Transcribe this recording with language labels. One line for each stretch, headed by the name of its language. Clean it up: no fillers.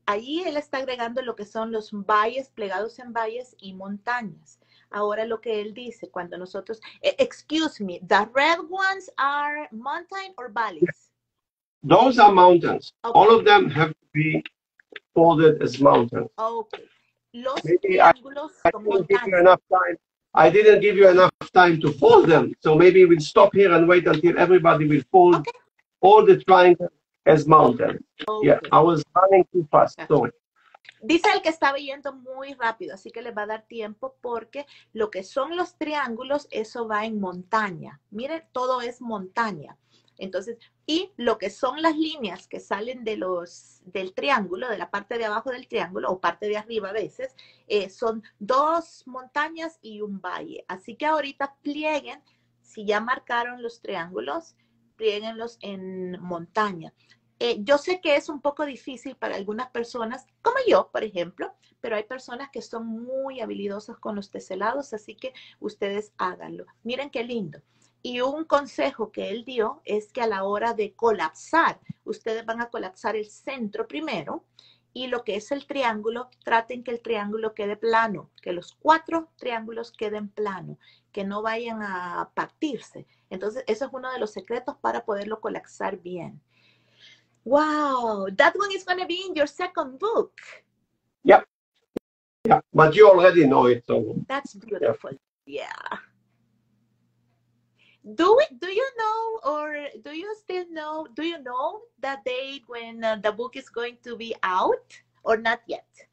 Spanish: Ahí él está agregando lo que son los valles, plegados en valles y montañas. Ahora lo que él dice, cuando nosotros...
English: Excuse me, the red ones are mountain or valleys? Those are mountains. Okay. All of them have to be folded as mountains.
Spanish: Okay. Los triángulos como montañas.
English: Give you enough time. I didn't give you enough time to fold them. So maybe we'll stop here and wait until everybody will fold all the triangles. As mountain. Okay. Yeah, I was running too fast. Sorry.
Spanish: Dice el que estaba yendo muy rápido, así que le va a dar tiempo porque lo que son los triángulos, eso va en montaña. Mire, todo es montaña. Entonces, y lo que son las líneas que salen de los del triángulo, de la parte de abajo del triángulo o parte de arriba a veces, son dos montañas y un valle. Así que ahorita plieguen, si ya marcaron los triángulos, plieguenlos en montaña. Yo sé que es un poco difícil para algunas personas, como yo, por ejemplo, pero hay personas que son muy habilidosas con los teselados, así que ustedes háganlo. Miren qué lindo. Y un consejo que él dio es que a la hora de colapsar, ustedes van a colapsar el centro primero y lo que es el triángulo, traten que el triángulo quede plano, que los cuatro triángulos queden plano, que no vayan a partirse. Entonces, eso es uno de los secretos para poderlo colapsar bien.
English: Wow, that one is going to be in your second book. Yeah, but you already know it. So. That's beautiful, yeah. Do you know, or do you still know, do you know the date when the book is going to be out, or not yet?